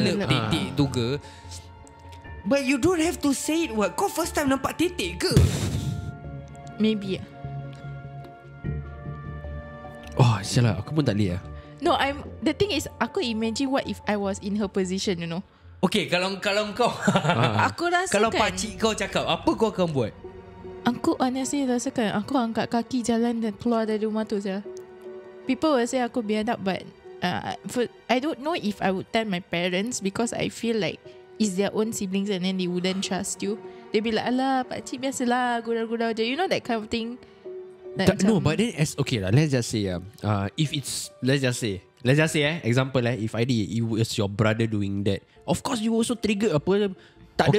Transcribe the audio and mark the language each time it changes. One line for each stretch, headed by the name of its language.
Malay: titik tu ke.
English: But you don't have to say it.
Malay: What, kau
English: first time
Malay: nampak titik ke?
English: Maybe.
Malay: Oh, sialah, aku pun tak boleh lah.
English: No, I'm, the thing is, aku imagine what if I was in her position, you know.
Malay: Okay, kalau kau aku rasa, kalau pakcik kau cakap, apa kau akan buat? Aku honestly rasakan aku angkat kaki jalan dan keluar dari rumah tu saja.
English: People will say
Malay: aku biadab,
English: but I don't know if I would tell my parents, because I feel like it's their own siblings and then they wouldn't trust you. They'd be like,
Malay: alah, pakcik biasalah, gurau-gurau je,
English: you know, that kind of thing. Like, no, but then as, okay lah, let's just say, if it's, let's just say example lah, if I did, it was your brother doing that, of course you also trigger
Malay: apa tak.